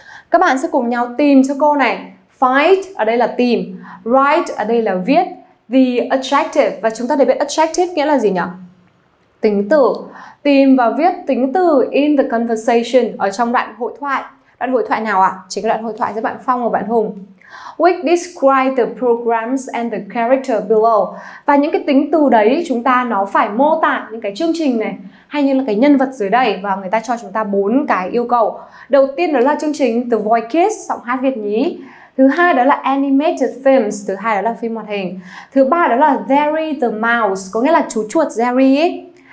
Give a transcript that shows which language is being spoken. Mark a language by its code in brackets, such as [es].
[vi] Các bạn sẽ cùng nhau tìm cho cô này. Find ở đây là tìm, write ở đây là viết, the adjective, và chúng ta để biết adjective nghĩa là gì nhỉ? Tính từ. Tìm và viết tính từ [en] in the conversation, [vi] ở trong đoạn hội thoại. Đoạn hội thoại nào ạ? Chính là đoạn hội thoại giữa bạn Phong và bạn Hùng. [en] Which describe the programs and the character below. [vi] Và những cái tính từ đấy chúng ta nó phải mô tả những cái chương trình này hay như là cái nhân vật dưới đây. Và người ta cho chúng ta 4 cái yêu cầu. Đầu tiên đó là chương trình The Voice Kids, giọng hát Việt nhí. Thứ hai đó là animated films, thứ hai đó là phim hoạt hình. Thứ ba đó là Jerry the Mouse, có nghĩa là chú chuột Jerry ấy.